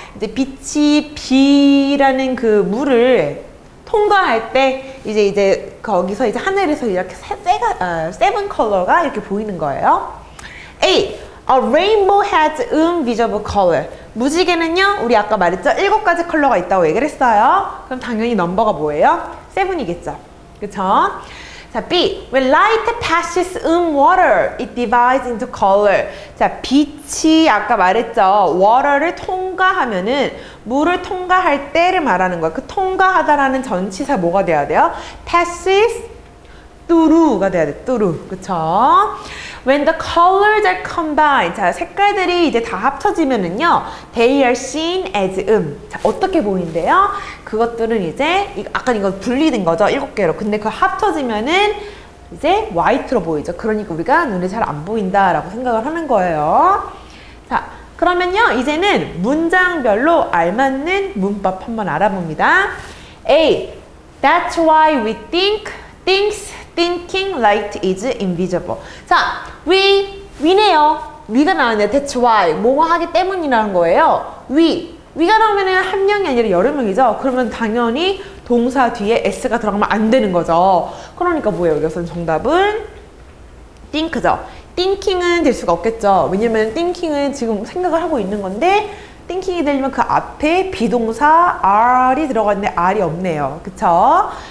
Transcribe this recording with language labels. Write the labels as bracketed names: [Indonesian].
[Korean] 이제 빛이 비라는 그 물을 통과할 때 이제 거기서 이제 하늘에서 이렇게 세븐 컬러가 이렇게 보이는 거예요. [English] A rainbow has invisible color. [Korean] 무지개는요, 우리 아까 말했죠? 일곱 가지 컬러가 있다고 얘기를 했어요. 그럼 당연히 넘버가 뭐예요? 세븐이겠죠. 그쵸? 자, B. [English] When light passes in water, it divides into color. [Korean] 자, 빛이 아까 말했죠? water를 통과하면은 물을 통과할 때를 말하는 거야. 그 통과하다라는 전치사 뭐가 돼야 돼요? [English] passes through [Korean] 가 돼야 돼. through. 그쵸? [English] When the colors are combined, 자, [Korean] 색깔들이 이제 다 합쳐지면은요, [English] they are seen as 자, [Korean] 어떻게 보인대요? 그것들은 이제, 아까 이거 분리된 거죠? 일곱 개로. 근데 그 합쳐지면은 이제 white로 보이죠? 그러니까 우리가 눈에 잘 안 보인다라고 생각을 하는 거예요. 자, 그러면요, 이제는 문장별로 알맞는 문법 한번 알아봅니다. A. [English] That's why we think things thinking light is invisible. [Korean] 자, we네요. we가 나왔네. [English] That's why. [Korean] 뭐 하기 때문이라는 거예요. we가 나오면 한 명이 아니라 여러 명이죠. 그러면 당연히 동사 뒤에 s가 들어가면 안 되는 거죠. 그러니까 뭐예요? 여기서는 정답은 think죠. thinking은 될 수가 없겠죠. 왜냐면 thinking은 지금 생각을 하고 있는 건데 thinking이 되려면 그 앞에 비동사 are이 들어갔는데 are이 없네요. 그쵸?